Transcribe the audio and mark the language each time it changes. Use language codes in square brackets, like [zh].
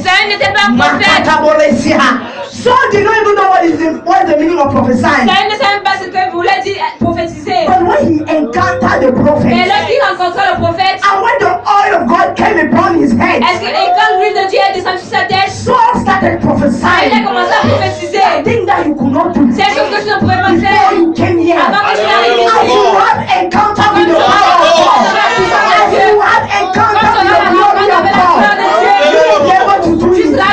[en] Saul did not even know what is the meaning of prophesying. [fr] Saul ne savait pas ce que voulait dire prophétiser. [en] But when he encountered the prophet, [fr] mais lorsqu'il rencontra le prophète, [en] and when the oil of God came upon his head, [fr] est-ce que quand l'huile de Dieu est descendue sur sa tête, [en] Saul started prophesying. [fr] Il a commencé à prophétiser. [en] A thing that you could not do. [fr] C'est chose que tu ne pouvais pas faire. [en] Before you came here, [fr] avant que tu n'arrives ici, [en] as you had encounter with the power of God, as you had encounter with the glory of God, you will be able to do it.